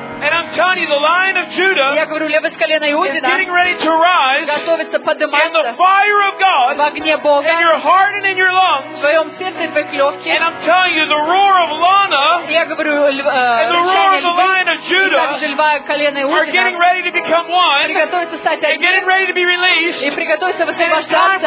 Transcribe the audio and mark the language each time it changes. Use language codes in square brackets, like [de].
[en] And I'm telling you, the Lion of Judah is getting ready to rise, [ru] готовится подниматься, [en] in the fire of God, [ru] в огне Бога, [en] in your heart and in your lungs. [ru] В твоем сердце, в твоих легких. [en] And I'm telling you, the roar of Lana, [ru] я говорю, [en] and the roar of the Lion of Judah, [ru] и также льва, колено Иудина, [en] are getting ready to become one, [ru] приготовиться стать одним, [en] and getting ready to be released, [ru] и приготовиться высвобождаться,